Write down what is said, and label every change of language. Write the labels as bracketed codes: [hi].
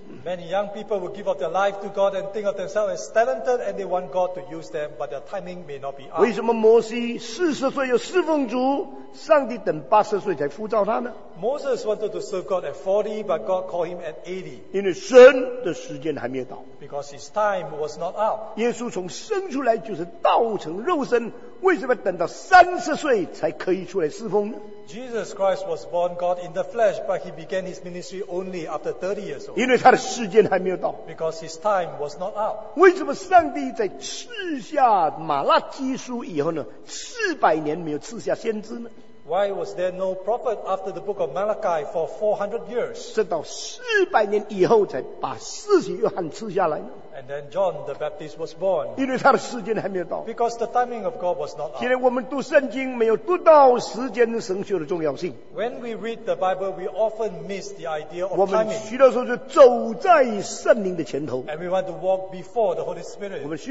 [en] Many young people will give up their life to God and think of themselves as talented and they want God to use them, but their timing may not be up. [zh] 为什么摩西40岁有侍奉主, 上帝等80岁才呼召他呢? [en] Moses wanted to serve God at 40, but God called him at 80. [zh] 因为神的时间还没有到。 [en] Because his time was not up. [zh] 耶稣从生出来就是道成肉身, 为什么等到30岁才可以出来侍奉呢? [en] Jesus Christ was born God in the flesh, but he began his ministry only after 30 years old. [zh] 因为他的时间还没有到。 [en] Because his time was not up. [zh] 为什么上帝在赐下马拉基书以后呢? 400年没有赐下先知呢? [en] Why was there no prophet after the book of Malachi for 400 years? [zh] 直到400年以后才把施洗约翰赐下来呢? [en] And then John the Baptist was born. [zh] 因为他的时间还没有到。 [en] Because the timing of God was not up. [zh] 现在我们读圣经没有读到时间神学的重要性。 [en] When we read the Bible, we often miss the idea of timing. [zh] 我们许多时候就走在圣灵的前头。 [en] And we want to walk before the Holy Spirit.